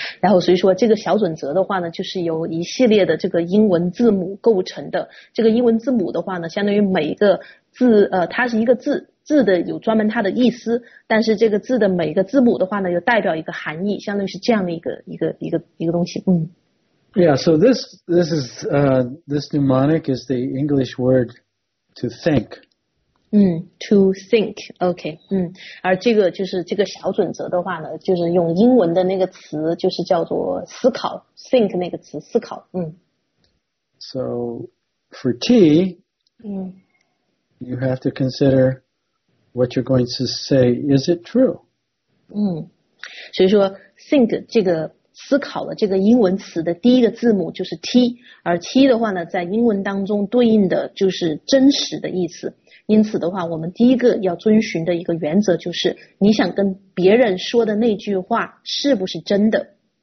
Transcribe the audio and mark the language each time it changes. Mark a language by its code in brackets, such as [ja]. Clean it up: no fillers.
[zh] 然后所以说这个小准则的话呢，就是由一系列的这个英文字母构成的。这个英文字母的话呢，相当于每一个字，它是一个字，字的有专门它的意思，但是这个字的每一个字母的话呢，又代表一个含义，相当于是这样的一个东西。 [en] Yeah, so this mnemonic is the English word to think. To think, okay. [zh] 而这个就是这个小准则的话呢，就是用英文的那个词，就是叫做思考 ，think 那个词，思考。 [en] So for tea, you have to consider what you're going to say. Is it true? [zh] 所以说 think 这个思考的这个英文词的第一个字母就是 T, 而 T 的话呢，在英文当中对应的就是真实的意思。因此的话，我们第一个要遵循的一个原则就是，你想跟别人说的那句话是不是真的。